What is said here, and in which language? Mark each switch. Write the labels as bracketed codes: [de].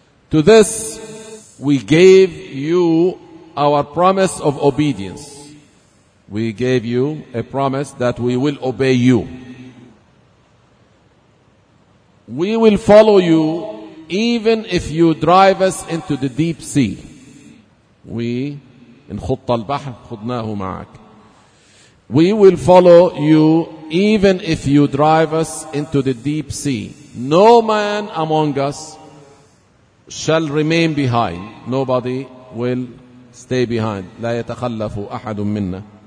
[en] To this, we gave you our promise of obedience. We gave you a promise that we will obey you. We will follow you even if you drive us into the deep sea. We, in [ar] خُطَّ الْبَحْرِ خُدْنَاهُ مَعَكَ. [en] We will follow you even if you drive us into the deep sea. No man among us shall remain behind. Nobody will stay behind. [ar] لَا يَتَخَلَّفُ أَحَدٌ مِنَّا.